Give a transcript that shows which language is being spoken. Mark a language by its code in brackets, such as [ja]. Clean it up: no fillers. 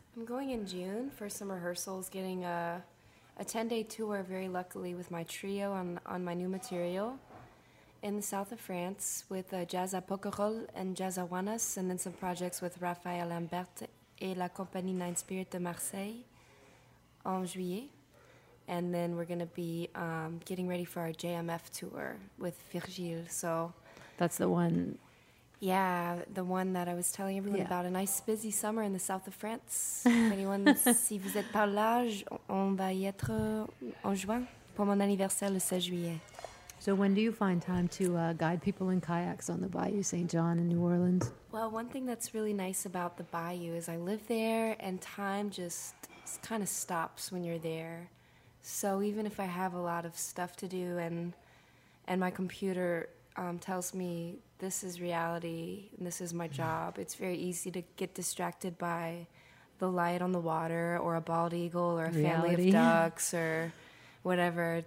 [en] I'm going in June for some rehearsals, getting a 10-day tour, very luckily, with my trio on my new material in the south of France with Jazz à Pokerolles and Jazz à Juanas, and then some projects with Raphaël Lambert [fr] et la Compagnie Nine Spirits de Marseille en juillet. [en] And then we're going to be getting ready for our JMF tour with Virgil. So that's the one. Yeah, the one that I was telling everyone about. A nice busy summer in the south of France. If anyone, [fr] si vous êtes par là, on va y être en juin pour mon anniversaire le 16 juillet. [en] So when do you find time to guide people in kayaks on the Bayou St. John in New Orleans? Well, one thing that's really nice about the Bayou is I live there and time just kind of stops when you're there. So even if I have a lot of stuff to do and my computer tells me this is reality and this is my job, it's very easy to get distracted by the light on the water or a bald eagle or a family of ducks or whatever.